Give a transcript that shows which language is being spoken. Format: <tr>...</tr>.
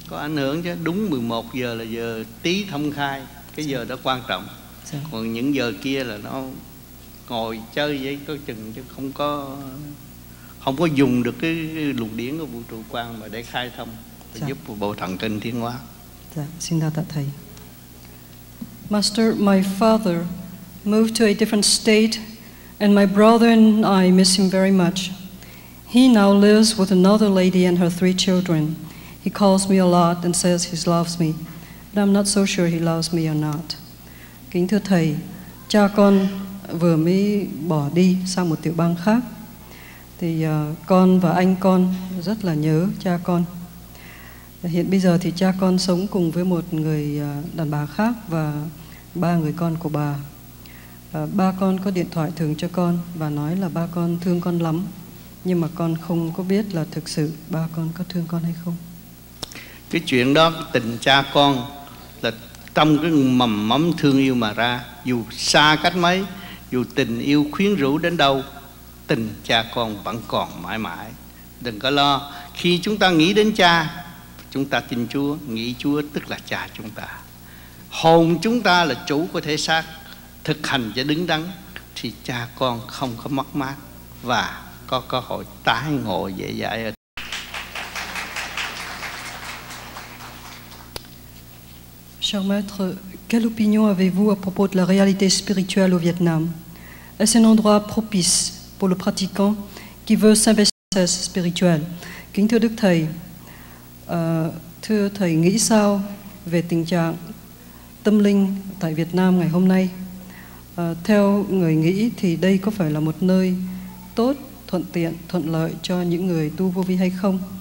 <vi>Có ảnh hưởng chứ, đúng 11 giờ là giờ Tý thông khai, cái giờ đó quan trọng. Còn những giờ kia là nó ngồi chơi vậy có chừng chứ không có dùng được cái luồng điển của vũ trụ quan mà để khai thông để giúp bộ thần kinh tiến hóa. Dạ, xin đa tạ Thầy.</vi> <en>Master, my father moved to a different state and my brother and I miss him very much. He now lives with another lady and her 3 children. He calls me a lot and says he loves me, but I'm not so sure he loves me or not.</en> <vi>Kính thưa Thầy, cha con vừa mới bỏ đi sang một tiểu bang khác. Thì con và anh con rất là nhớ cha con. Hiện bây giờ thì cha con sống cùng với một người đàn bà khác và 3 người con của bà. Ba con có điện thoại thường cho con và nói là ba con thương con lắm. Nhưng mà con không có biết là thực sự ba con có thương con hay không. Cái chuyện đó, tình cha con là trong cái mầm mắm thương yêu mà ra. Dù xa cách mấy, dù tình yêu khuyến rũ đến đâu, tình cha con vẫn còn mãi mãi. Đừng có lo. Khi chúng ta nghĩ đến cha, chúng ta tin Chúa, nghĩ Chúa tức là cha chúng ta. Hồn chúng ta là chủ của thể xác, thực hành cho đứng đắn thì cha con không có mất mát và có cơ hội tái ngộ dễ dãi.</vi> <fr>Cher maître, quelle opinion avez-vous à propos de la réalité spirituelle au Vietnam? Est-ce un endroit propice pour le pratiquant qui veut s'investir spirituel?</fr> <vi>Kính thưa Đức Thầy, thưa Thầy nghĩ sao về tình trạng tâm linh tại Việt Nam ngày hôm nay? Theo người nghĩ thì đây có phải là một nơi tốt, thuận tiện, thuận lợi cho những người tu vô vi hay không?</vi>